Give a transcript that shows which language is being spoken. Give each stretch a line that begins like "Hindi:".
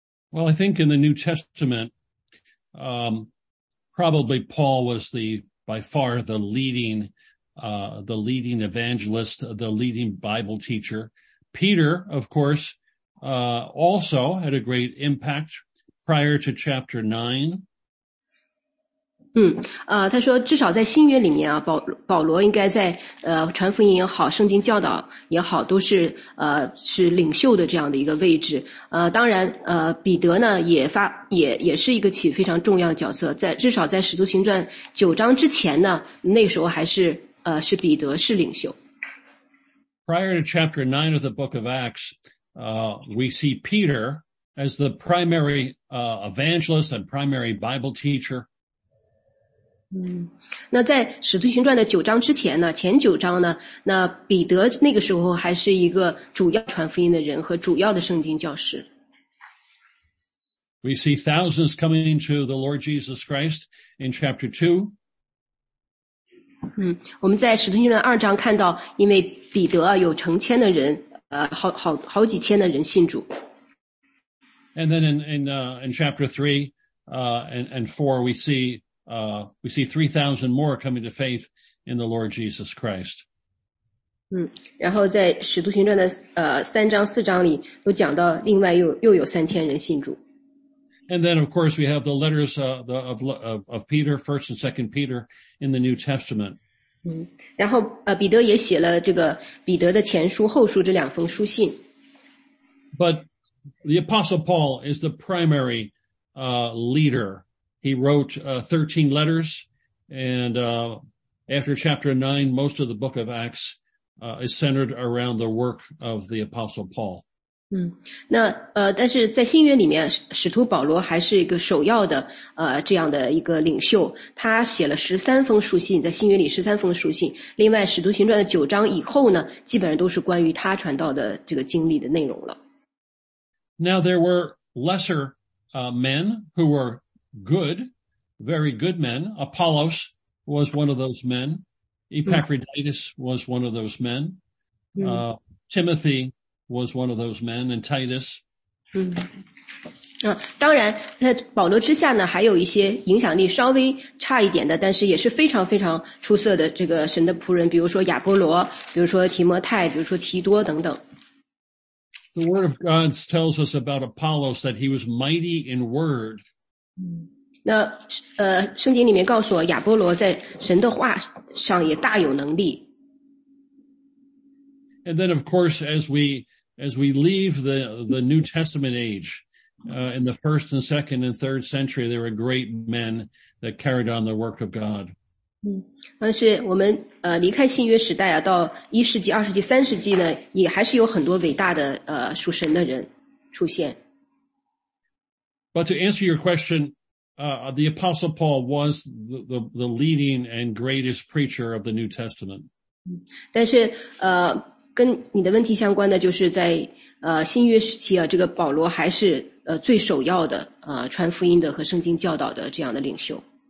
English: Well, I think in the New Testament, probably Paul was by far the leading evangelist, the leading Bible teacher. Peter, of course, also had a great impact prior to chapter 9.
Chinese: 他说至少在新约里面啊，保罗应该在传福音也好，圣经教导也好，都是是领袖的这样的一个位置。当然彼得呢也是一个起非常重要的角色，在至少在使徒行传9章之前呢，那时候还是是彼得是领袖。
English: Prior to chapter 9 of the book of Acts, we see Peter as the primary evangelist and primary Bible teacher.
Chinese: 那在使徒行传的9章之前呢，前9章呢，那彼得那个时候还是一个主要传福音的人和主要的圣经教师。
English: We see thousands coming to the Lord Jesus Christ in chapter 2.
Chinese: 我们在使徒行传二章看到，因为彼得有成千的人，好几千的人信主。
English: And then in chapter 3 and 4 we see 3,000 more coming to faith in the Lord Jesus Christ.
Chinese: 然后在使徒行传的三章四章里都讲到另外又有三千人信主。
English: And then of course we have the letters of Peter, 1st and 2nd Peter in the New Testament.
Chinese: 然后彼得也写了这个彼得的前书后书这两封书信。
English: But the Apostle Paul is the primary leader. He wrote 13 letters and after chapter 9 most of the book of Acts is centered around the work of the Apostle Paul.
Chinese: 那但是在新约里面使徒保罗还是一个首要的这样的一个领袖，他写了13封书信，在新约里13封书信，另外使徒行传的9章以后呢基本上都是关于他传道的这个经历的内容了。
English: Now there were lesser men who were good, very good men. Apollos was one of those men. Epaphroditus was one of those men. Timothy was one of those men, and Titus.
Chinese: 当然保罗之下呢还有一些影响力稍微差一点的，但是也是非常非常出色的这个神的仆人，比如说亚波罗，比如说提摩太，比如说提多等等。
English: The word of God tells us about Apollos that he was mighty in word.
Chinese: 那圣经里面告诉我亚波罗在神的话上也大有能力。
English: And then of course as we leave the New Testament age, in the first and second and third century, there were great men that carried on the work of God.
Chinese: 但是我们离开新约时代啊，到一世纪、二世纪、三世纪呢，也还是有很多伟大的属神的人出现。
English: But to answer your question, the Apostle Paul was the leading and greatest preacher of the New Testament.
Chinese: 但是跟你的问题相关的就是在新约时期啊，这个保罗还是最首要的传福音的和圣经教导的这样的领袖。